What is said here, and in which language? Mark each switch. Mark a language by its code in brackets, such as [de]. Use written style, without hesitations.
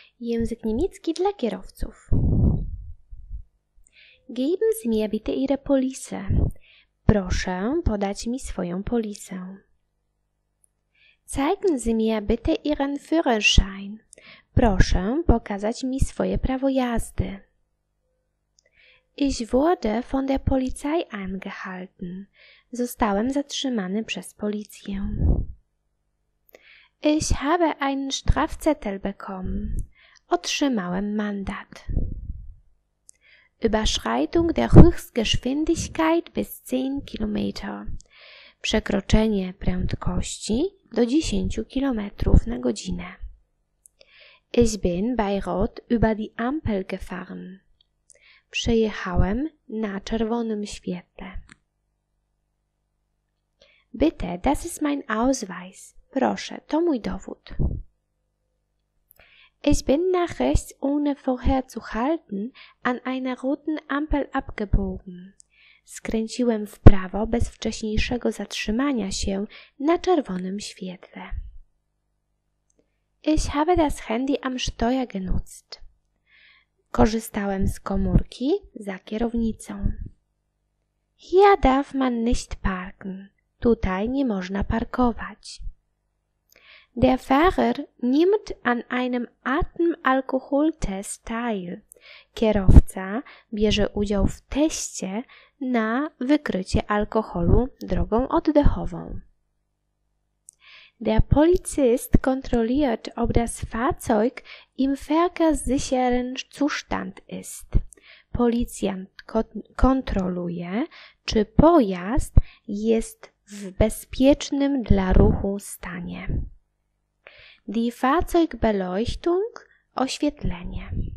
[pl] Język niemiecki dla kierowców. [de] Geben Sie mir bitte Ihre Polisę. [pl] Proszę podać mi swoją polisę. [de] Zeigen Sie mir bitte Ihren Führerschein. [pl] Proszę pokazać mi swoje prawo jazdy. [de] Ich wurde von der Polizei angehalten. [pl] Zostałem zatrzymany przez policję. [de] Ich habe einen Strafzettel bekommen. [pl] Otrzymałem mandat. [de] Überschreitung der Höchstgeschwindigkeit bis 10 km. [pl] Przekroczenie prędkości do 10 km na godzinę. [de] Ich bin bei Rot über die Ampel gefahren. [pl] Przejechałem na czerwonym świetle. [de] Bitte, das ist mein Ausweis. [pl] Proszę, to mój dowód. [de] Ich bin nach rechts, ohne vorher zu halten, an einer roten Ampel abgebogen. [pl] Skręciłem w prawo bez wcześniejszego zatrzymania się na czerwonym świetle. [de] Ich habe das Handy am Steuer genutzt. [pl] Korzystałem z komórki za kierownicą. [de] Hier darf man nicht parken. [pl] Tutaj nie można parkować. [de] Der Fahrer nimmt an einem Atemalkoholtest teil. [pl] Kierowca bierze udział w teście na wykrycie alkoholu drogą oddechową. [de] Der Polizist kontrolliert, ob das Fahrzeug im verkehrssicheren Zustand ist. [pl] Policjant kontroluje, czy pojazd jest w bezpiecznym dla ruchu stanie. [de] Die Fahrzeugbeleuchtung, oświetlenie.